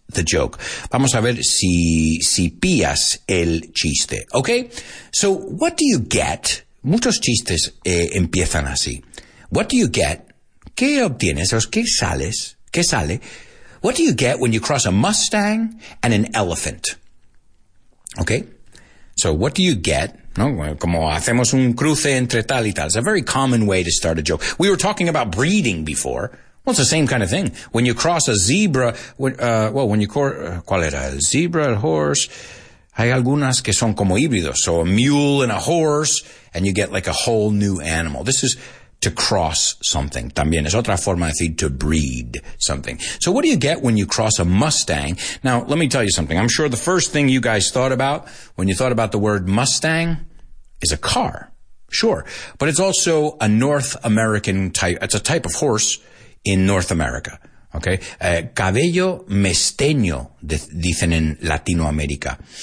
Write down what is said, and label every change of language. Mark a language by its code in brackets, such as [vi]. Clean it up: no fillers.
[en] the joke. [es] Vamos a ver si pillas el chiste. Okay? [en] So, what do you get? [es] Muchos chistes empiezan así. [en] What do you get? [es] ¿Qué obtienes? ¿Qué sale? [en] What do you get when you cross a Mustang and an elephant? Okay? So, what do you get? [es] No, como hacemos un cruce entre tal y tal. [en] It's a very common way to start a joke. We were talking about breeding before. Well, it's the same kind of thing. When you cross a zebra, [es] ¿cuál era? El zebra, el horse. Hay algunas que son como híbridos. [en] So a mule and a horse, and you get like a whole new animal. This is to cross something. [es] También es otra forma de decir [en] to breed something. So what do you get when you cross a Mustang? Now, let me tell you something. I'm sure the first thing you guys thought about when you thought about the word Mustang is a car. Sure. But it's also a North American type. It's a type of horse in North America. [es] Okay. Cabello mesteño, dicen en Latinoamérica.